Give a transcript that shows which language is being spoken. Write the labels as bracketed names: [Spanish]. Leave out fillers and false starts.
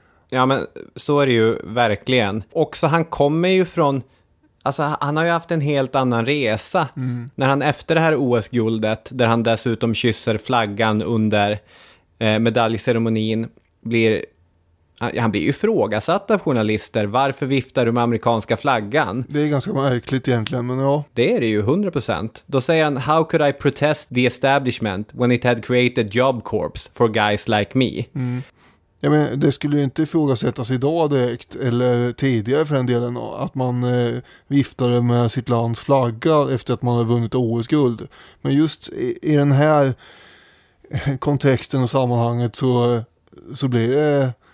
[Swedish] Ja, men så är det ju verkligen. Och så han kommer ju från, alltså han har ju haft en helt annan resa när han efter det här OS-guldet, där han dessutom kysser flaggan under medaljceremonin, blir... Han blir ju frågasatt av journalister. Varför viftar du med amerikanska flaggan? Det är ganska märkligt egentligen, men ja. Det är det ju, 100%. [English] Då säger han, how could I protest the establishment when it had created job corps for guys like me? Mm. [Swedish] Ja, men det skulle ju inte ifrågasättas idag direkt, eller tidigare för den delen, att man viftade med sitt lands flagga efter att man har vunnit OS-guld. Men just i den här kontexten och sammanhanget så blir det...